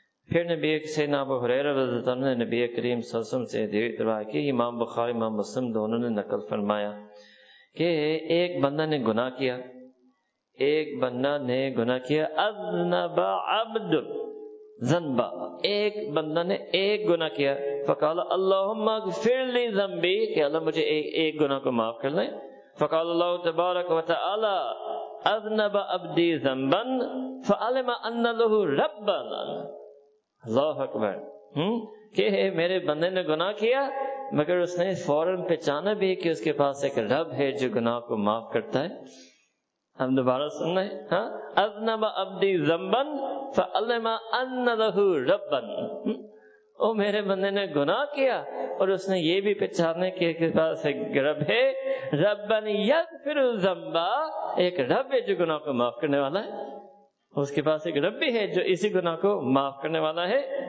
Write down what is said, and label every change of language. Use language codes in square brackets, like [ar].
[ur] پھر نبی سیدنا ابو ہریرہ رضی اللہ عنہ نے نبی کریم صلی اللہ علیہ وسلم سے روایت کی, امام بخاری امام مسلم دونوں نے نقل فرمایا کہ ایک بندہ نے گناہ کیا, ایک بندہ نے گناہ کیا, [ar] اذنب عبد ذنبا, [ur] ایک بندہ نے ایک گناہ کیا, [ar] فقال اللهم اغفر لي ذنبي, [ur] کہ اللہ مجھے ایک گناہ کو معاف کر لیں. [ar] فقال الله تبارك وتعالى اذنب عبدي ذنبا فعلم ان له ربا. [ur] اللہ اکبر, کہ میرے بندے نے گناہ کیا مگر اس نے فوراً پہچانا بھی کہ اس کے پاس ایک رب ہے جو گناہ کو معاف کرتا ہے. ہم دوبارہ سن رہے ہیں, [ar] اذنب عبدی ذنبن فعلم ان له ربن, [ur] او میرے بندے نے گناہ کیا اور اس نے یہ بھی پہچانے کہ اس کے پاس ایک رب ہے, [ar] ربن یغفر ذنبا, [ur] ایک رب ہے جو گناہ کو معاف کرنے والا ہے, اس کے پاس ایک رب بھی ہے جو اسی گناہ کو معاف کرنے والا ہے.